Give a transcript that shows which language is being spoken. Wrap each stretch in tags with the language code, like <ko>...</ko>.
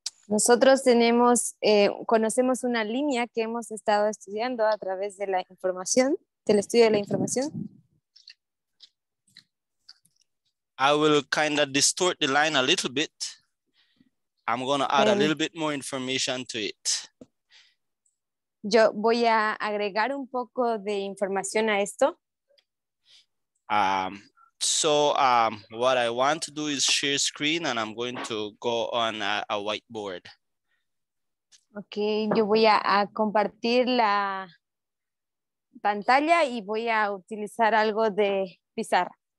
<es>Nosotros tenemos, conocemos una línea que hemos estado estudiando a través de la información, del estudio de la información.</es> <en>I will kind of distort the line a little bit. I'm going to add a little bit more information to it.</en> <es>Yo voy a agregar un poco de información a esto.</es> <en>What I want to do is share screen and I'm going to go on a whiteboard.</en> <es>Okay, yo voy a compartir la pantalla y voy a utilizar algo de pizarra.</es>